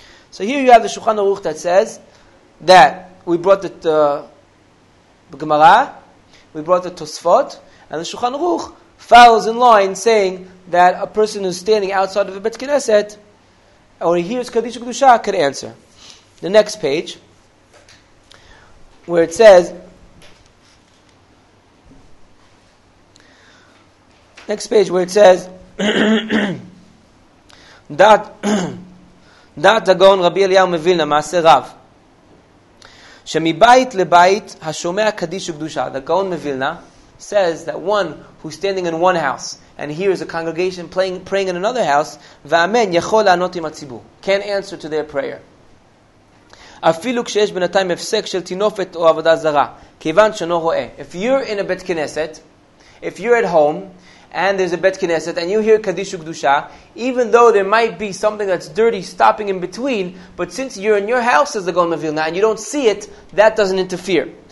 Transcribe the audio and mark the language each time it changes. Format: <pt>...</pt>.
<en>So here you have the Shulchan Aruch that says that we brought the Gemara, we brought the Tosfot, and the Shulchan Aruch follows in line saying that a person who's standing outside of a Bet Knesset or he hears Kaddish Kedusha could answer. The next page, where it says, that.</en> <he>דעת הגאון רבי אליהו מווילנה, מעשה רב, שמבית לבית השומע קדיש וקדושה.</he> <en>The Gaon Mevilna says that one who's standing in one house and hears a congregation praying in another house,</en> <he>ואמן יכול לענות עם הציבור,</he> <en>can answer to their prayer.</en> <he>אפילו כשיש בינתיים הפסק של תינופת או עבודה זרה, כיוון שאינו רואה.</he> <en>If you're in a bet knesset, if you're at home, and there's a Bet Knesset, and you hear Kaddish Kedusha, even though there might be something that's dirty stopping in between, but since you're in your house, as the Gaon Mevilna, and you don't see it, that doesn't interfere.</en>